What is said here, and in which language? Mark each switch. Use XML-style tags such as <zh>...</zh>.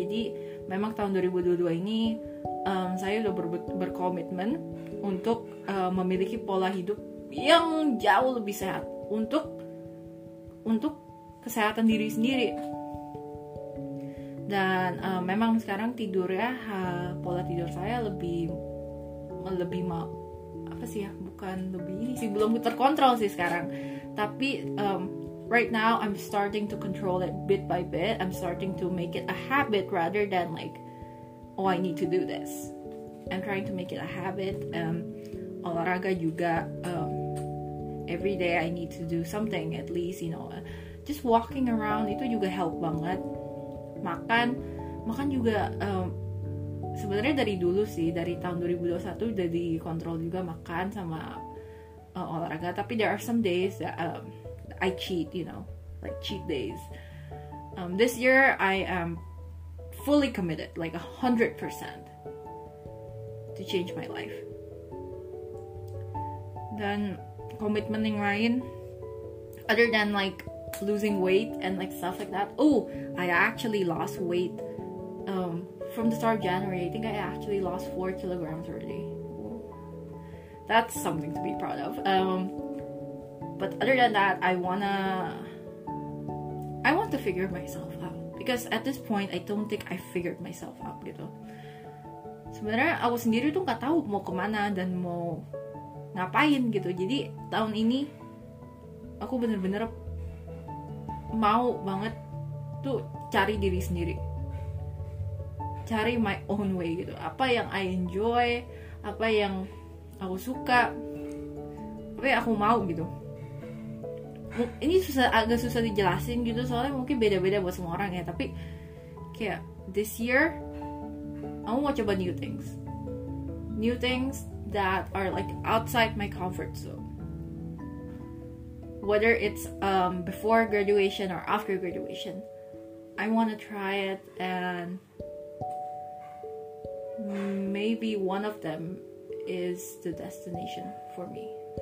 <id>Jadi memang tahun 2022 ini saya udah berkomitmen untuk memiliki pola hidup yang jauh lebih sehat untuk kesehatan diri sendiri. Dan memang sekarang tidurnya, pola tidur saya belum terkontrol sih sekarang. Tapi</id> <en>right now I'm starting to control it bit by bit. I'm starting to make it a habit rather than like, oh, I need to do this. I'm trying to make it a habit.</en> <id>Olahraga juga.</id> <en>Every day I need to do something at least, you know. Just walking around</en> <id>itu juga</id> <en>help</en> <id>banget. Makan juga sebenarnya dari dulu sih, dari tahun 2021 udah dikontrol juga makan sama olahraga. Tapi</id> <en>there are some days that I cheat, you know, like cheat days. This year I am fully committed, like 100% to change my life.</en> <id>Dan commitment yang lain,</id> <en>other than like losing weight and like stuff like that, oh, I actually lost weight from the start of January. I think I actually lost 4 kilograms already. That's something to be proud of. But other than that, I want to figure myself out. Because at this point, I don't think I figured myself out,</en> <id>gitu. sebenarnya aku sendiri tuh nggak tahu mau kemana dan mau ngapain gitu. Jadi tahun ini aku bener-bener mau banget tuh cari diri sendiri, cari</id> <en>my own way</en> <id>gitu. Apa yang</id> <en>I enjoy,</en> <id>apa yang aku suka, apa yang aku mau gitu. Ini susah, agak susah dijelasin gitu, soalnya mungkin beda-beda buat semua orang ya. Tapi kayak</id> <en>this year</en> <id>aku mau coba</id> <en>new things, new things that are like outside my comfort zone. Whether it's before graduation or after graduation, I want to try it, and maybe one of them is the destination for me.</en>